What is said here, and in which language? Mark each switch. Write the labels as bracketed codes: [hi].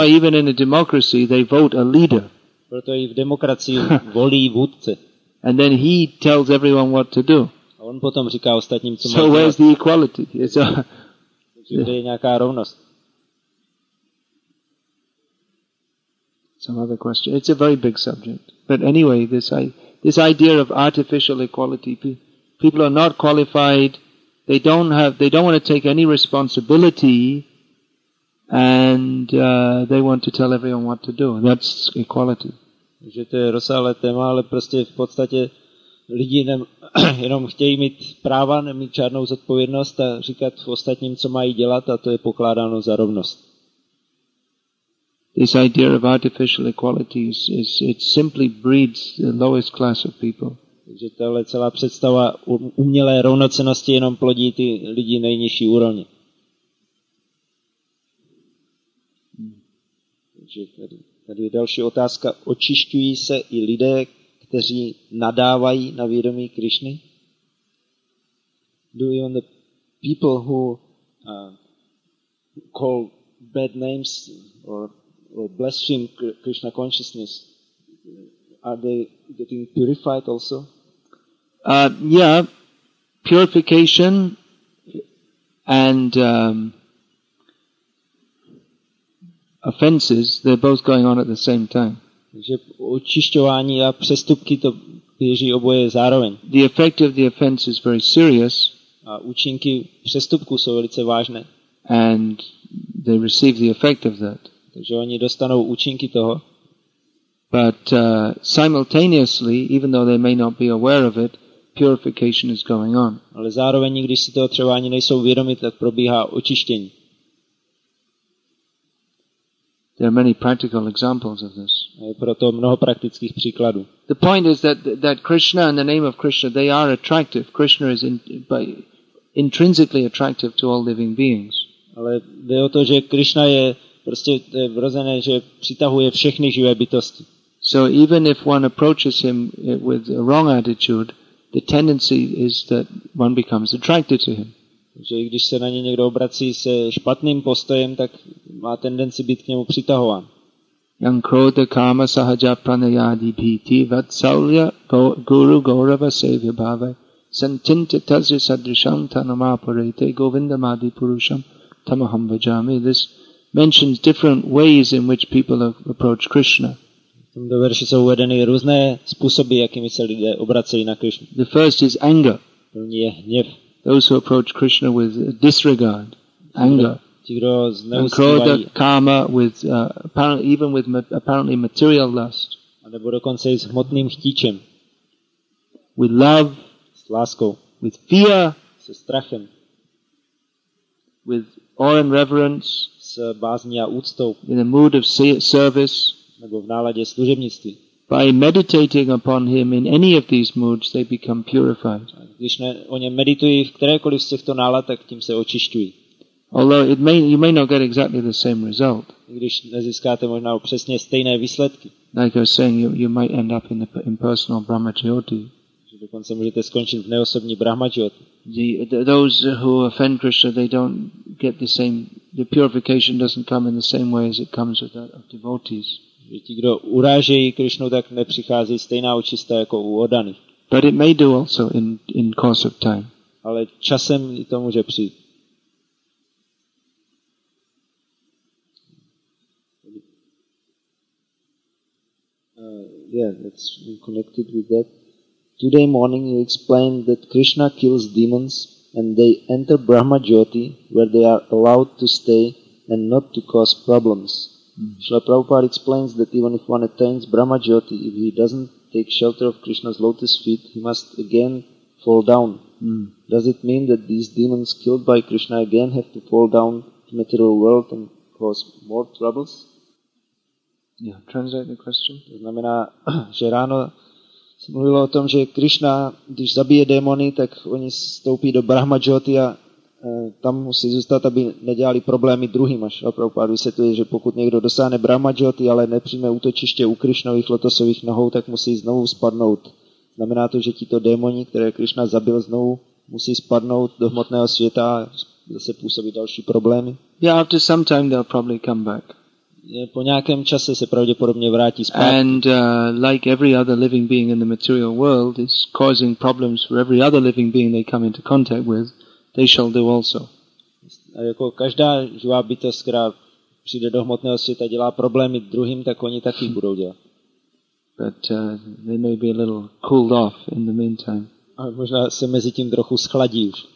[en] That's why even in a democracy they vote a leader. [cs] Proto i v demokracii volí vůdce. [en] And then he tells everyone what to do. [cs] A on potom říká ostatním, co mají dělat. [en] So where's the equality? [cs] Kde je nějaká rovnost? [en] Some other question. It's a very big subject. But anyway, this idea of artificial equality, people are not qualified, they don't want to take any responsibility, and they want to tell everyone what to do. That's equality. [cs] Že to je rozsáhlé téma, ale prostě v podstatě lidi jenom chtějí mít práva, nemít žádnou zodpovědnost a říkat v ostatním, co mají dělat, a to je pokládáno za rovnost. [en] This idea of artificial equality it simply breeds the lowest class of people. [cs] Takže tohle celá představa umělé rovnocenosti jenom plodí ty lidi nejnižší úrovně. Takže tady je další otázka. Očišťují se i lidé, kteří nadávají na vědomí Krišny? [en] Do even the people who call bad names or blaspheme Krishna consciousness, are they getting purified also? Yeah, purification and offenses, they're both going on at the same time. [cs] Takže očišťování a přestupky to běží oboje zároveň. [en] The effect of the offense is very serious. [cs] A účinky přestupku jsou velice vážné. [en] And they receive the effect of that. [cs] Takže oni dostanou účinky toho. [en] But simultaneously, even though they may not be aware of it, purification is going on. [cs] Ale zároveň, když si toho třeba ani nejsou vědomi, tak probíhá očištění. [en] There are many practical examples of this. [cs] Je proto mnoho praktických příkladů. [en] The point is that Krishna and the name of Krishna, they are attractive. Krishna is intrinsically attractive to all living beings. [cs] Ale jde o to, že Krishna je prostě vrozené, že přitahuje všechny živé bytosti. [en] So even if one approaches him with a wrong attitude, the tendency is that one becomes attracted to him. [cs] Že i když se na ně někdo obrací se špatným postojem, tak má tendenci být k němu přitahován. [sa] Yang krodha kama sahaja pranayadi bhiti vatsalya guru gaurava sevya bhava santinta tasya sadrisham tanumaparete govindamadi purusham tamaham vajami. [en] This mentions different ways in which people approach Krishna. [cs] V tomto verši jsou uvedeny různé způsoby, jakými se lidé obracejí na Krishna. [en] The first is anger. [cs] První je hněv. [en] Those who approach Krishna with disregard, anger, and krodha kama, with even with apparently material lust, [cs] nebo dokonce s hmotným chtíčem, [en] with love, [cs] s láskou, [en] with fear, [cs] se strachem, [en] with awe and reverence, [cs] s bázní a úctou, [en] in a mood of service, [cs] nebo v náladě služebnictví. [en] By meditating upon him in any of these moods, they become purified. [cs] Když o něm meditují v kterékoliv z těchto nálad, tak tím se očišťují. [en] Although you may not get exactly the same result. [cs] Když nezískáte možná přesně stejné výsledky. [en] Like I was saying, you might end up in the impersonal Brahmajyoti. [cs] Dokonce můžete skončit v neosobní Brahmajyoti. [en] Those who offend Krishna, they don't get the same. The purification doesn't come in the same way as it comes with that of devotees. [cs] Že ti, kdo urážejí Krišnu, tak nepřichází stejná očista jako u odany. [en] But it may do also in course of time. [cs] Ale časem i to může přijít. [en] Yeah, that's connected with that. Today morning you explained that Krishna kills demons and they enter Brahma Jyoti where they are allowed to stay and not to cause problems. Srila Prabhupada explains that even if one attains Brahma Jyoti, if he doesn't take shelter of Krishna's lotus feet, he must again fall down. Does it mean that these demons killed by Krishna again have to fall down to material world and cause more troubles? Yeah, translate the question. [cs] To znamená, že ráno se mluvilo o tom, že Krishna, když zabije démony, tak oni stoupí do Brahma Jyoti a tam musí zůstat, aby nedělali problémy druhým. A Srila Prabhupada vysvětluje, že pokud někdo dosáhne Brahma Jyoti, ale nepřijme útočiště u Krishnových lotosových nohou, tak musí znovu spadnout. Znamená to, že tito démoni, které Krishna zabil znovu, musí spadnout do hmotného světa a zase působit další problémy. [en] Yeah, after some time they'll probably come back. [cs] Po nějakém čase se pravděpodobně vrátí zpátky. [en] And like every other living being in the material world, it's causing problems for every other living being they come into contact with. They shall do also. [cs] A jako každá živá bytost, která přijde do hmotného světa, dělá problémy druhým, tak oni taky budou dělat. [en] But they may be a little cooled off in the meantime. [cs] A možná se mezi tím trochu schladí už.